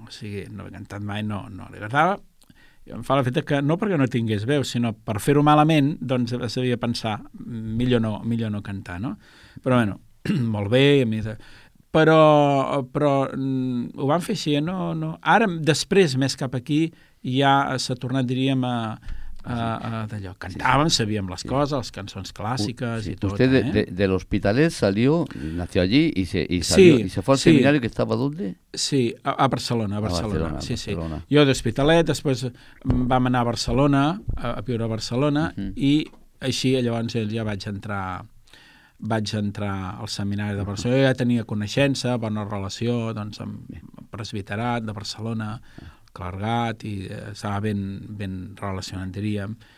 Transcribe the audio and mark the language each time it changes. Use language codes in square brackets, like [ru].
[ca] O sigui, no havia cantat mai, no li agradava. I em fa la feta que, no perquè no tingués veu, sinó per fer-ho malament, doncs s'havia de pensar, millor no cantar, no? Però bueno, molt bé, a mi... Però ho vam fer així, no? Ara, després, més cap aquí, ja s'ha tornat, diríem, d'allò. Cantàvem, sabíem les coses, les cançons clàssiques i tot. [es] Usted de l'Hospitalet salió, nació allí y se fue al seminario que estaba donde? Sí, a Barcelona. Sí. Barcelona. [ca] Jo d'Hospitalet, després vam anar a Barcelona, a viure a Barcelona, uh-huh. I així llavors ja vaig entrar al seminari de Barcelona. Uh-huh. Jo ja tenia coneixença, bona relació doncs, amb el presbiterat de Barcelona, clergat, i estava ben relacionat, diríem.